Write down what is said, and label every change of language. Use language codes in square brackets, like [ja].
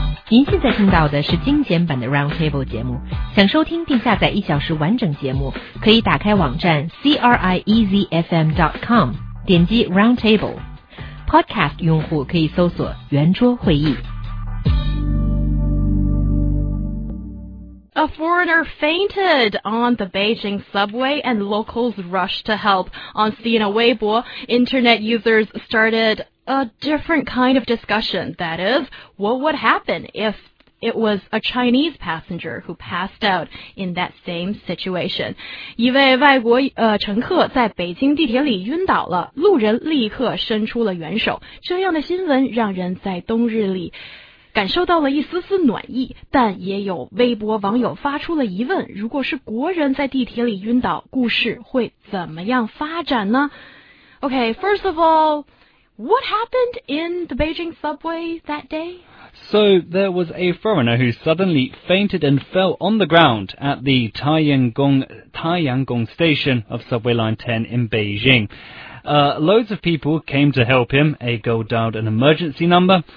[zh] 您现在听到的是精简版的 Roundtable 节目，想收听并下载一小时完整节目，可以打开网站 CRIEZFM.com 点击 Roundtable。 Podcast 用户可以搜索圆桌会议。 [en] A foreigner fainted on the Beijing subway and locals rushed to help. On Sina Weibo, internet users started a different kind of discussion. That is, what would happen if it was a Chinese passenger who passed out in that same situation. [zh] 一位外国乘客在北京地铁里晕倒了，路人立刻伸出了援手。这样的新闻让人在冬日里感受到了一丝丝暖意，但也有微博网友发出了疑问，如果是国人在地铁里晕倒，故事会怎么样发展呢？ [en] Okay, first of all, what happened in the Beijing subway that day? So there was a foreigner who suddenly fainted and fell on the ground at the Taiyangong station of Subway Line 10 in Beijing. Loads of people came to help him. A girl dialed an emergency number.